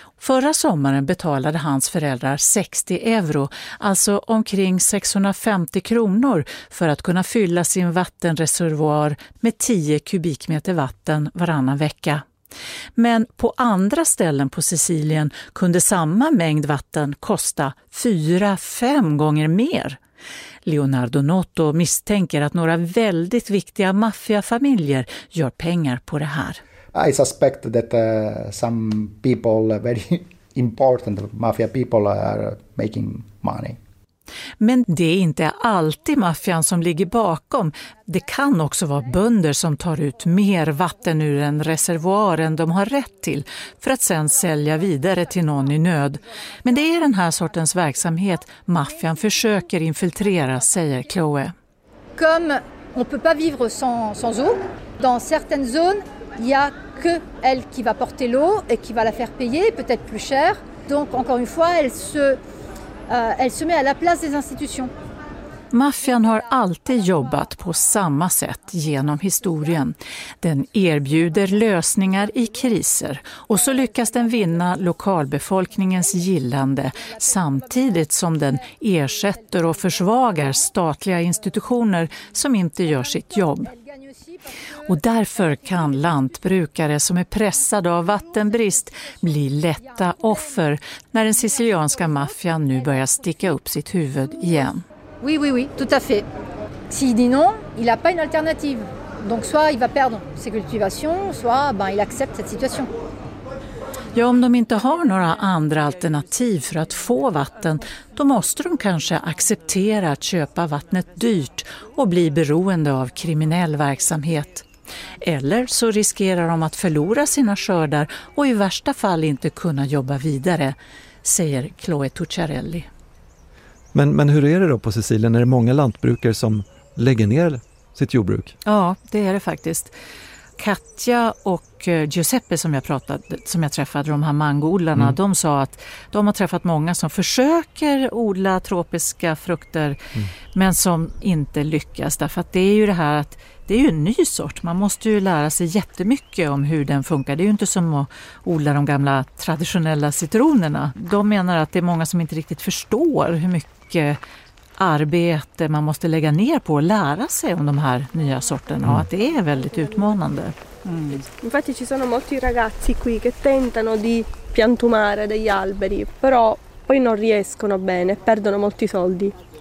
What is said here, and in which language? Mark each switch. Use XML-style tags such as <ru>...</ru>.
<sv>Förra sommaren betalade hans föräldrar 60 euro, alltså omkring 650 kronor, för att kunna fylla sin vattenreservoar med 10 kubikmeter vatten varannan vecka. Men på andra ställen på Sicilien kunde samma mängd vatten kosta 4-5 gånger mer. Leonardo Notto misstänker att några väldigt viktiga maffiafamiljer gör pengar på det här.</sv> <en>I suspect that some people, very important mafia people, are making money.</en> <sv>Men det är inte alltid maffian som ligger bakom. Det kan också vara bönder som tar ut mer vatten ur en reservoar än de har rätt till för att sedan sälja vidare till någon i nöd. Men det är den här sortens verksamhet maffian försöker infiltrera, säger Chloe.</sv> <fr>Comme on peut pas vivre sans eau, dans certaines zones, il y a que elle qui va porter l'eau et qui va la faire payer peut-être plus cher. Donc encore une fois, elle se met à la place des institutions.</fr> <sv>Maffian har alltid jobbat på samma sätt genom historien. Den erbjuder lösningar i kriser och så lyckas den vinna lokalbefolkningens gillande samtidigt som den ersätter och försvagar statliga institutioner som inte gör sitt jobb. Och därför kan lantbrukare som är pressade av vattenbrist bli lätta offer när den sicilianska maffian nu börjar sticka upp sitt huvud igen.</sv> <fr>Oui oui oui, tout à fait. S'il dit non, il a pas une alternative. Donc soit il va perdre ses cultivations, soit ben il accepte cette situation.</fr> <sv>Ja, om de inte har några andra alternativ för att få vatten, då måste de kanske acceptera att köpa vattnet dyrt och bli beroende av kriminell verksamhet. Eller så riskerar de att förlora sina skördar och i värsta fall inte kunna jobba vidare, säger Chloe Tucciarelli. Men hur är det då på Sicilien? Är det många lantbrukare som lägger ner sitt jordbruk? Ja, det är det faktiskt. Katja och Giuseppe som jag träffade, de här mangoodlarna, de sa att de har träffat många som försöker odla tropiska frukter men som inte lyckas. Därför att det är ju det här att det är ju en ny sort. Man måste ju lära sig jättemycket om hur den funkar. Det är ju inte som att odla de gamla traditionella citronerna. De menar att det är många som inte riktigt förstår hur mycket arbete man måste lägga ner på att lära sig om de här nya sorterna och att det är väldigt utmanande. Mm.</sv> <it>Infatti ci sono molti ragazzi qui che tentano di piantumare degli alberi, però poi non riescono bene, perdono molti soldi.</it>